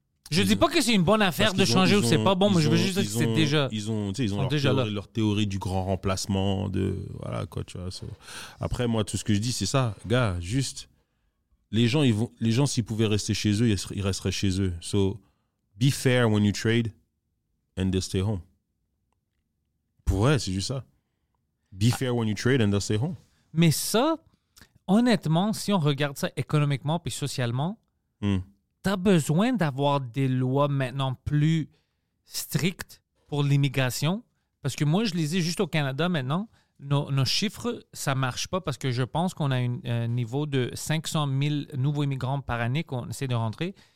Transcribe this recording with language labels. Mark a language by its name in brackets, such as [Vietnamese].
[French] Je ne dis pas que c'est une bonne affaire de changer ou que ce n'est pas bon, mais je veux juste dire que c'est déjà... Ils ont leur théorie du grand remplacement, de... Voilà, quoi, tu vois. Après, moi, tout ce que je dis, c'est ça. Gars, juste, les gens, s'ils pouvaient rester chez eux, ils resteraient chez eux. [English] So, be fair when you trade and they stay home. [French] Pour vrai, c'est juste ça. [English] Be fair when you trade and they stay home. [French] Mais ça, honnêtement, si on regarde ça économiquement puis socialement... T'as besoin d'avoir des lois maintenant plus strictes pour l'immigration? Parce que moi, je lisais juste au Canada maintenant, nos chiffres, ça ne marche pas parce que je pense qu'on a un niveau de 500 000 nouveaux immigrants par année qu'on essaie de rentrer.